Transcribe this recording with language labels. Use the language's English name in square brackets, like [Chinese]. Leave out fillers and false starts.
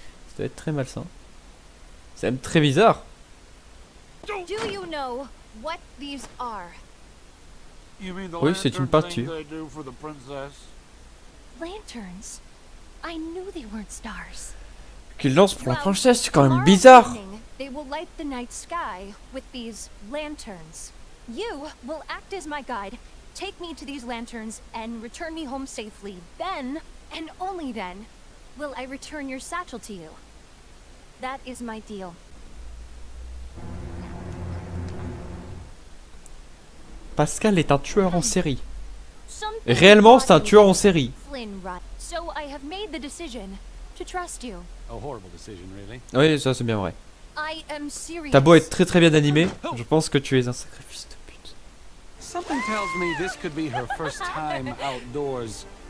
[French] Ça doit être très malsain. C'est même très bizarre. [English] Do you know what these are? You mean the [French] oui, c'est une peinture. [English] Lanterns. I knew they weren't stars. [French] Qu'ils lancent pour la princesse, c'est quand même bizarre. [English] They will light the night sky with these lanterns. You will act as my guide. Take me to these lanterns and return me home safely. Then, and only then, will I return your satchel to you. That is my deal. [French] Pascal est un tueur en série. Réellement, c'est un tueur en série. [English] So I have made the decision to trust you. A horrible decision, really. [French] Oui, ça c'est bien vrai. [English] I am serious. [French] T'as beau être très bien animé, je pense que tu es un sacré fils de pute. [English] Something tells me this could be her first time outdoors.